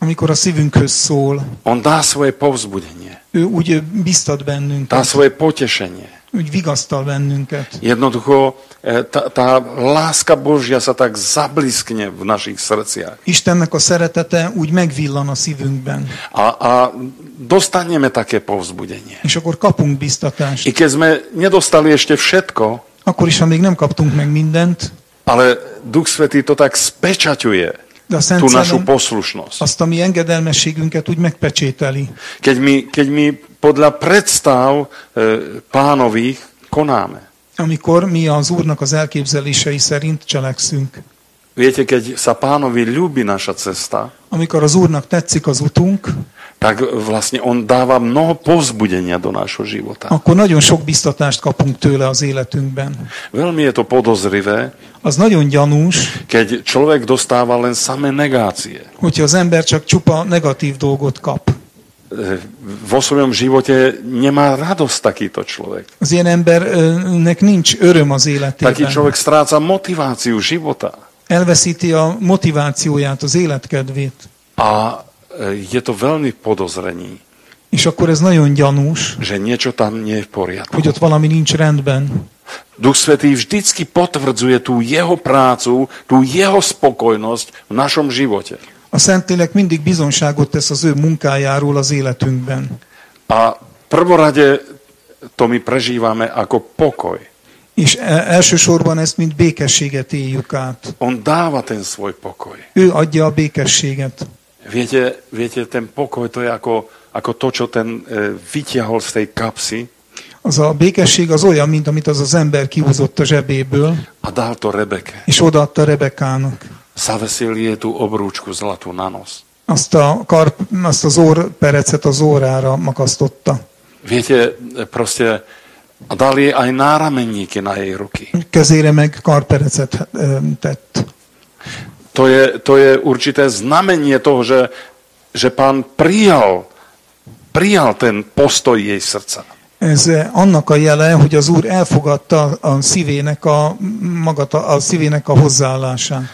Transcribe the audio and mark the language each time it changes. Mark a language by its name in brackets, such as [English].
[Hungarian] amikor a szívünkhöz szól, [Slovak] on dá svoje povzbudenie. [Hungarian] Ő úgy biztat bennünket. [Slovak] Dá svoje potešenie. [Hungarian] Úgy vigasztal bennünket. [Slovak] Jednoducho, tá láska Božia sa tak zabliskne v našich srdciach. [Hungarian] Istennek a szeretete úgy megvillan a szívünkben. [Slovak] A dostaneme také povzbudenie. [Hungarian] És akkor kapunk biztatást. [Slovak] I keď sme nedostali ešte všetko, [Hungarian] akkor is, ha még nem kaptunk meg mindent, [Slovak] ale Duch Svätý to tak spečaťuje tú Szent našu poslušnosť. [Hungarian] Azt a mi engedelmességünket úgy megpecsételi. [Slovak] Keď mi podľa predstav pánových konáme. [Hungarian] Amikor mi az Úrnak az elképzelései szerint cselekszünk. [Slovak] Viete, keď sa pánovi ľúbi naša cesta, [Hungarian] amikor az Úrnak tetszik az utunk, [Slovak] tak vlastne on dáva mnoho povzbudenia do nášho života. [Hungarian] Akkor nagyon sok biztatást kapunk tőle az életünkben. [Slovak] Veľmi je to podozrivé, [Hungarian] az nagyon gyanús, [Slovak] keď človek dostáva len samé negácie. [Hungarian] Hogyha az ember csak csupa negatív dolgot kap. [Slovak] vo svojom živote nemá radosť takýto človek. [Hungarian] Az ilyen embernek nincs öröm az életében. [Slovak] Taký človek stráca motiváciu života. [Hungarian] Elveszíti a motivációját, az életkedvét. [Slovak] A je to veľmi podozrení. [Hungarian] És akkor ez nagyon gyanús. [Slovak] Že niečo tam nie je v poriadku. [Hungarian] Hogy ott valami nincs rendben. [Slovak] Duch Svätý vždycky potvrdzuje tú jeho prácu, tú jeho spokojnosť v našom živote. [Hungarian] A Szentlélek mindig bizonságot tesz az ő munkájáról az életünkben. [Slovak] A prvorade to mi prežívame ako pokoj. [Hungarian] És elsősorban ezt mint békességet éljük át. [Slovak] On dáva ten svoj pokoj. [Hungarian] Ő adja a békességet. [Slovak] Viete, ten pokoj to je ako to, čo ten vytiahol z tej kapsy. [Hungarian] Az a békesség az olyan, mint amit az az ember kihúzott a zsebéből. [Slovak] A dál to Rebeke. [Hungarian] És odaadta Rebekának. [Slovak] Zaveszél je tú obrúčku zlatú na nos. [Hungarian] Azt az orrperecet az órára makasztotta. [Slovak] Viete, proste, a dal jej aj nárameníky na jej ruky. [Hungarian] Kezére meg karperecet tett. [Slovak] To je určité znamenie toho, že pán prijal ten postoj jej srdca. [Hungarian] Ez annak a jele, hogy az Úr elfogadta a szívének a hozzáállását.